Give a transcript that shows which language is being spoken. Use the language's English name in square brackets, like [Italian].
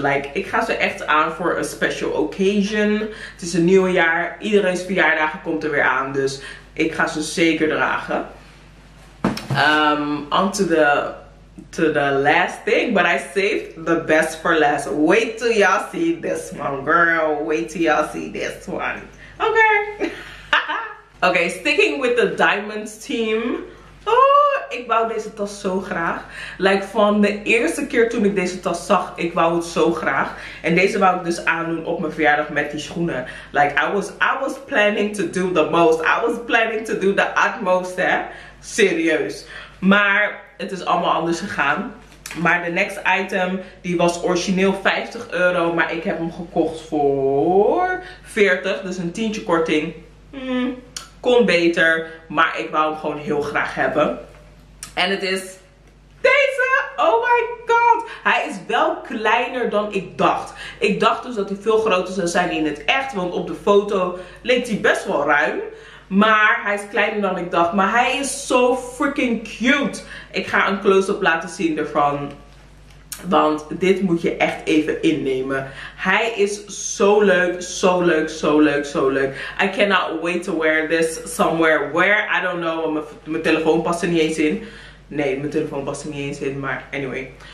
[Dutch] Like, ik ga ze echt aan voor een special occasion. Het is een nieuwe jaar. Iedereen's verjaardagen komt er weer aan. Dus ik ga ze zeker dragen. [English] On to the last thing. But I saved the best for last. Wait till y'all see this one, girl. Wait till y'all see this one. Okay. Okay, sticking with the diamonds team. [Dutch] Oh, ik wou deze tas zo graag. Like, van de eerste keer toen ik deze tas zag, ik wou het zo graag. En deze wou ik dus aandoen op mijn verjaardag met die schoenen. [English] Like, I was planning to do the most. I was planning to do the utmost, hè. [Dutch] Serieus. Maar het is allemaal anders gegaan. Maar de next item, die was origineel €50. Maar ik heb hem gekocht voor 40. Dus een tientje korting. Kon beter, maar ik wou hem gewoon heel graag hebben. En het is deze. [English] Oh my god. [Dutch] Hij is wel kleiner dan ik dacht. Ik dacht dus dat hij veel groter zou zijn in het echt. Want op de foto leek hij best wel ruim. Maar hij is kleiner dan ik dacht. Maar hij is zo freaking cute. Ik ga een close-up laten zien ervan. Want dit moet je echt even innemen. Hij is zo leuk, zo leuk, zo leuk, zo leuk. [English] I cannot wait to wear this somewhere. Where? I don't know. [Dutch] Mijn telefoon past er niet eens in. Nee, mijn telefoon past er niet eens in. Maar anyway.